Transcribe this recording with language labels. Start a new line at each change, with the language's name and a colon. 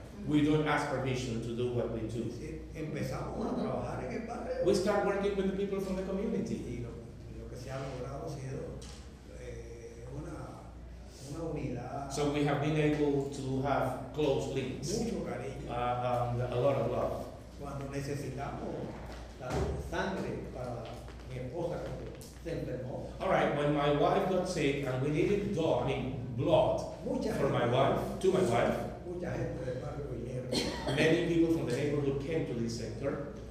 English: We don't ask permission to do what we do.
Spanish: Empezamos a trabajar en el barrio.
English: We start working with the people from the community.
Spanish: Y lo que se ha logrado ha sido una unidad.
English: So we have been able to have close links.
Spanish: Mucho cariño.
English: A lot of love.
Spanish: Cuando necesitamos la sangre para mi esposa que se enfermó.
English: All right, when my wife got sick and we needed blood for my wife, to my wife.
Spanish: Mucha gente del barrio.
English: Many people from the neighborhood came to this center.